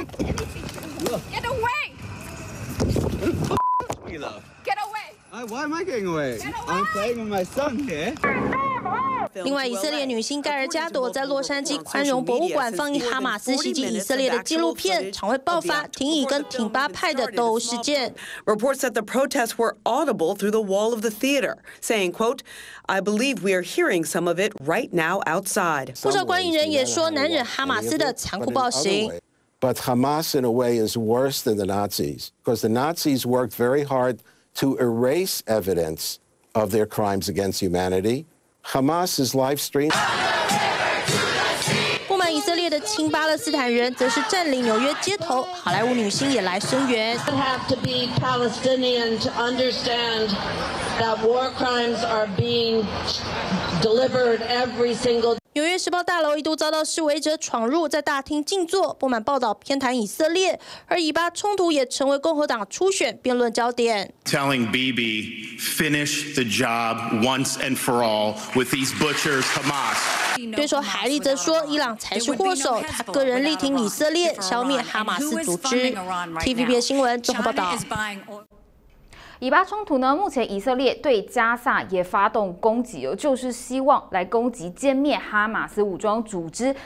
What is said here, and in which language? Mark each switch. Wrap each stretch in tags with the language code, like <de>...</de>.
<en>Get away! Get away! Why am I getting away? I'm playing with my son here.</en> <zh>另外，以色列女星盖尔加朵在洛杉矶宽容博物馆放映哈马斯袭击以色列的纪录片，场外爆发挺以跟挺巴派的斗殴事件。</zh> <en>Reports that the protests were audible through the wall of the theater, saying, "quote, I believe we are hearing some of it right now outside."</en> <zh>不少观影人也说难忍哈马斯的残酷暴行。</zh> <en>But Hamas, in a way, is worse than the Nazis because the Nazis worked very hard to erase evidence of their crimes against humanity. Hamas's live stream.</en> <zh>不满以色列的亲巴勒斯坦人则是占领纽约街头，好莱坞女星也来声援。</zh> <en>You have to be Palestinian to understand that war crimes are being delivered every single day.</en> <zh>纽约时报大楼一度遭到示威者闯入，在大厅静坐，不满报道偏袒以色列，而以巴冲突也成为共和党初选辩论焦点。</zh> <en>Telling Bibi, finish the job once and for all with these butchers, Hamas.</en> <zh>对手海利则说，伊朗才是祸首，他个人力挺以色列，消灭哈马斯组织。 TVBS 新闻综合报道。以巴冲突呢，目前以色列对加萨也发动攻击哦，就是希望来攻击歼灭哈马斯武装组织。</zh>